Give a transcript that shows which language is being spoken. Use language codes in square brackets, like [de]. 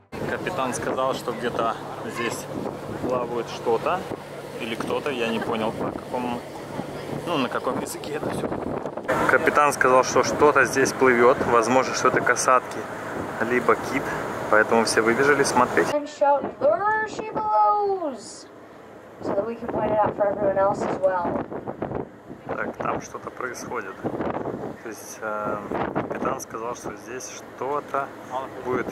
[ru] Капитан сказал, что где-то здесь плавает что-то. Или кто-то, я не понял, по какому... Ну, на каком языке это все? Капитан сказал, что что-то здесь плывет. Возможно, что это касатки, либо кит. Поэтому все выбежали смотреть. [en] And shout, there she blows! So that we can find it out for everyone else as well. [ru] Так, там что-то происходит. То есть, капитан сказал, что здесь что-то будет.